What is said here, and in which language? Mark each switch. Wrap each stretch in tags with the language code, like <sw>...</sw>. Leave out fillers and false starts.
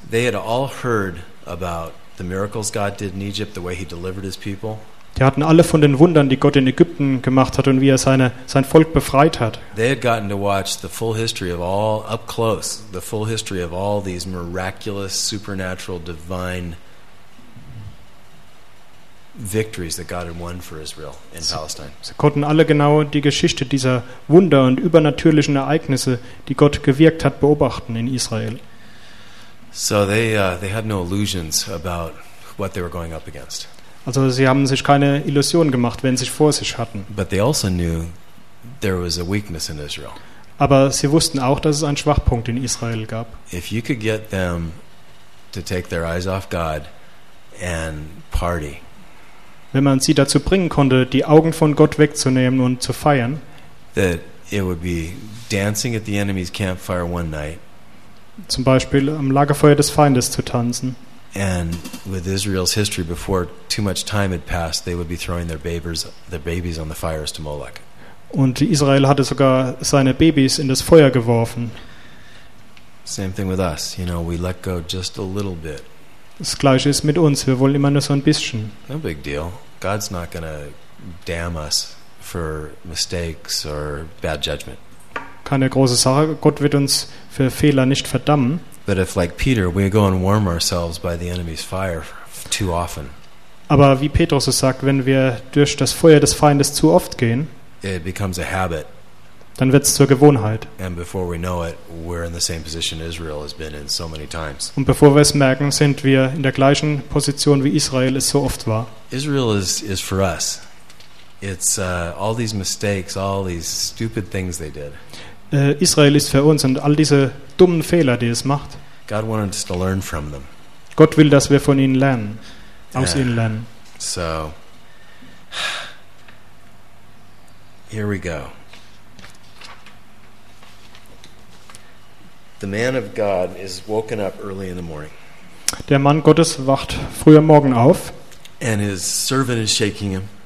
<en>they had all heard about the miracles God did in Egypt, the way he delivered his people.</en> <de>Die hatten alle von den Wundern, die Gott in Ägypten gemacht hat und wie er sein Volk befreit hat.</de> <en>They had gotten to watch the full history of all up close, the full history of all these miraculous, supernatural, divine victories that God had won for Israel in Palestine.</en> <de>Sie konnten alle genau die Geschichte dieser Wunder und übernatürlichen Ereignisse, die Gott gewirkt hat, beobachten in Israel.</de> <en>So they had no illusions about what they were going up against.</en> <de>Also sie haben sich keine Illusionen gemacht, wenn sie vor sich hatten.</de> <en>But they also knew there was a weakness in Israel.</en> <de>Aber sie wussten auch, dass es einen Schwachpunkt in Israel gab.</de> <en>If you could get them to take their eyes off God and party.</en> <de>Wenn man sie dazu bringen konnte, die Augen von Gott wegzunehmen und zu feiern,</de> <en>that it would be dancing at the enemy's campfire one night,</en> <de>zum Beispiel am Lagerfeuer des Feindes zu tanzen,</de> <en>and with Israel's history before too much time had passed, they would be throwing their babies on the fires to Molech.</en> <de>Und Israel hatte sogar seine Babys in das Feuer geworfen.</de> <en>Same thing with us, you know, we let go just a little bit.</en> <de>Das Gleiche ist mit uns. Wir wollen immer nur so ein bisschen.</de> <en>No big deal. God's not gonna damn us for mistakes or bad judgment.</en> <de>Keine große Sache. Gott wird uns für Fehler nicht verdammen.</de> <en>But if, like Peter, we go and warm ourselves by the enemy's fire too often.</en> <de>Aber wie Petrus es sagt, wenn wir durch das Feuer des Feindes zu oft gehen,</de> <en>it becomes a habit.</en> <de>Dann wird es zur Gewohnheit.</de> <en>And before we know it, we're in the same position Israel has been in so many times.</en> <de>Und bevor wir es merken, sind wir in der gleichen Position wie Israel es so oft war.</de> <en>Israel is for us. It's all these mistakes, all these stupid things they did.</en> <de>Israel ist für uns und all diese dummen Fehler, die es macht.</de> <en>God wanted us to learn from them.</en> <de>Gott will, dass wir von ihnen lernen, aus ihnen lernen.</de> <en>So, here we go. The man of God is woken up early in the morning.</en> <de>Der Mann Gottes wacht früh am Morgen auf.</de> <en>And his servant is shaking him.</en>